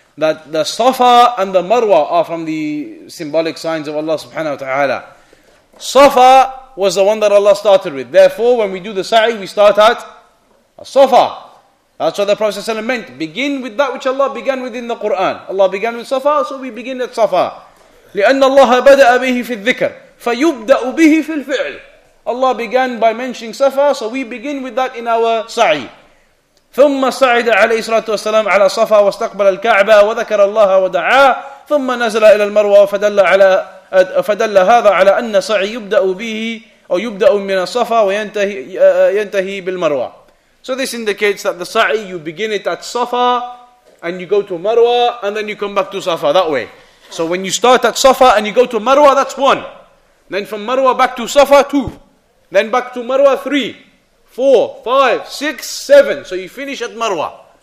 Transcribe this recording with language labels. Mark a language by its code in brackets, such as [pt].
[en] That the Safa and the Marwa are from the symbolic signs of Allah subhanahu wa ta'ala. Safa was the one that Allah started with. Therefore, when we do the sa'i, we start at Safa. That's what the Prophet ﷺ meant. Begin with that which Allah began with in the Quran. Allah began with Safa, so we begin at Safa. [ar] لأن الله بدأ به في الذكر فيبدأ به في الفعل. [en] Allah began by mentioning Safa, so we begin with that in our sa'i. [ar] ثم صعد عليه الصلاة والسلام على صفا واستقبل الكعبة وذكر الله ودعا ثم نزل إلى المروة فدل هذا على أن صعي يبدأ به أو يبدأ من الصفا وينتهي بالمروة. [en] So this indicates that the sa'i, you begin it at Safa and you go to Marwa and then you come back to Safa that way. So when you start at Safa and you go to Marwa, that's one. Then from Marwa back to Safa, two. Then back to Marwa, three. Four, five, six, seven. So you finish at Marwa.